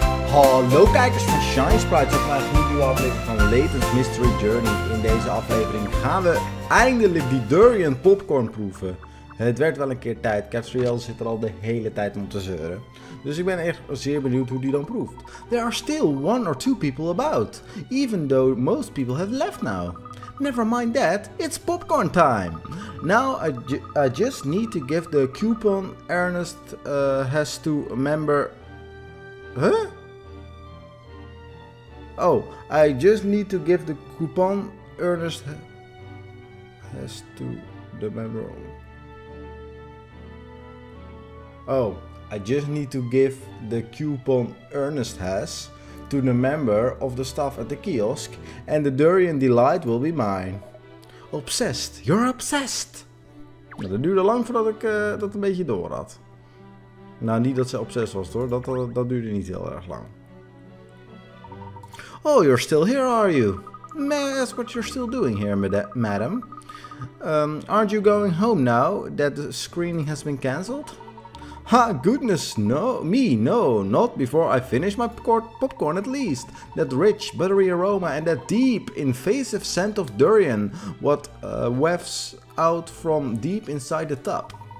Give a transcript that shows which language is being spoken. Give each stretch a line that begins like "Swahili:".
Dutch: Hallo kijkers van ShineSprites, op mijn nieuwe aflevering van Layton's Mystery Journey. In deze aflevering gaan we eindelijk die durian popcorn proeven. Het werd wel een keer tijd, Capsriel zit er al de hele tijd om te zeuren. Dus ik ben echt zeer benieuwd hoe die dan proeft.
English: There are still one or two people about, even though most people have left now. Never mind that, it's popcorn time! Now I just need to give the coupon Ernest has to remember. Huh? Oh, I just need to give the coupon Ernest has to the member. Oh, I just need to give the coupon Ernest has to the member of the staff at the kiosk, and the durian delight will be mine. Obsessed, you're obsessed!
Dutch: Nou, dat duurde lang voordat ik dat een beetje door had. Nou, niet dat ze obsessed was hoor, dat duurde niet heel erg lang.
English: Oh, you're still here, are you? May I ask what you're still doing here, madam? Aren't you going home now that the screening has been cancelled? Ha, goodness, no, me, no, not before I finish my popcorn at least. That rich, buttery aroma and that deep, invasive scent of durian, what wafts out from deep inside the tub.